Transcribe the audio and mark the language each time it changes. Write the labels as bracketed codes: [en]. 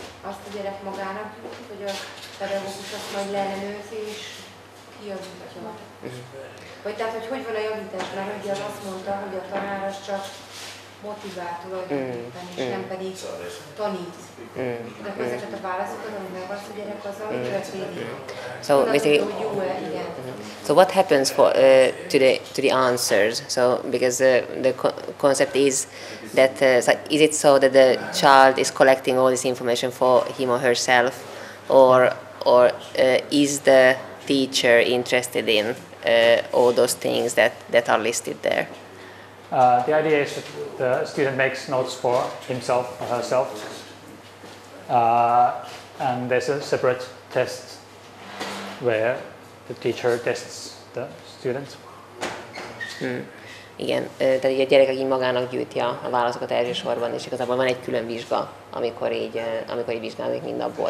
[hu] Azt a gyerek magának jutott, hogy a pedagógus azt majd leellenőrzi és kijavítja. Vagy tehát, hogy van a javítás, mert ugye az azt mondta, hogy a tanár az csak motivál tulajdonképpen, és nem pedig tanít. De ezeket a válaszokat, ami megválasz a gyerek, az a történik. [en] So basically, so what happens for to the answers? So because the concept is that is it so that the child is collecting all this information for him or herself, or is the teacher interested in all those things that are listed there? The idea is that the student makes notes for himself or herself, and there's a separate test where the teacher tests the student. [hu] Igen, tehát így a gyerek így magának gyűjti a válaszokat elsősorban, és igazából van egy külön vizsga, amikor így vizsgálódik mind abból.